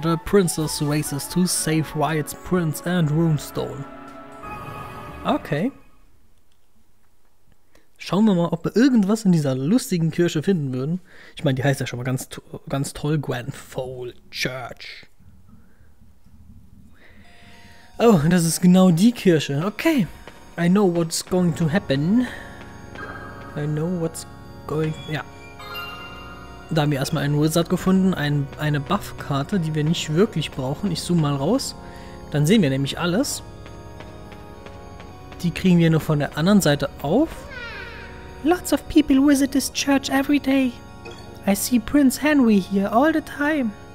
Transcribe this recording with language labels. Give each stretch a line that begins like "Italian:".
English: The princess races to save Wight's prince and Runestone. Okay.
German: Schauen wir mal, ob wir irgendwas in dieser lustigen Kirche finden würden. Ich meine, die heißt ja schon mal ganz, ganz toll, Grenfell Church. Oh, das ist genau die Kirche. Okay.
English: I know what's going to happen.
German: Ja. Da haben wir erstmal einen Wizard gefunden, eine Buff-Karte, die wir nicht wirklich brauchen. Ich zoome mal raus. Dann sehen wir nämlich alles. Die kriegen wir nur von der anderen Seite auf.
English: Lots of people visit this church every day. I see Prince Henry here all the time.